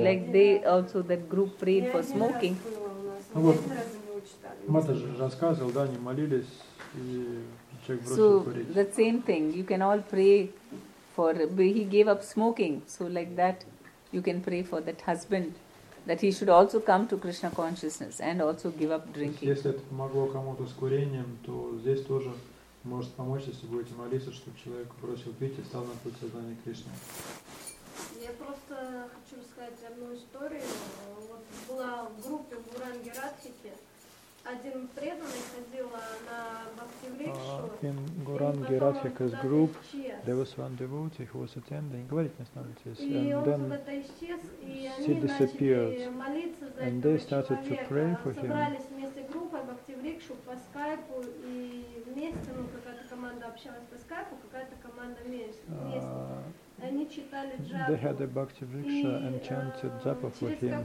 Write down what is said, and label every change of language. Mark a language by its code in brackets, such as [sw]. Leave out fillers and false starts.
[en] Yes, like they also that group prayed for smoking. [ru] Mataji рассказывал, да, они молились и человек бросил курить. [en] So the same thing. You can all pray for. He gave up smoking, so like that. You can pray for that husband that he should also come to Krishna consciousness and also give up drinking. [ru] Если это помогло кому-то с курением, то здесь тоже может помочь, если будете молиться, чтобы человек бросил пить и стал на путь сознания Кришны. Я просто хочу рассказать одну историю. Вот была в группе в Гуранге Радхике. Один преданный ходил на Бхакти-рикшу. [en] In Guranga Radhika's group, there was one devotee who was attending. [ru] Говорит, не останавливайтесь. [en] And he disappeared. And they started to pray for him. [ru] Собрались вместе группой Бхакти-рикшу по скайпу и вместе, ну, какая-то команда общалась по скайпу, какая-то команда вместе. [en] They had a Bhakti-riksha and chanted japa for him.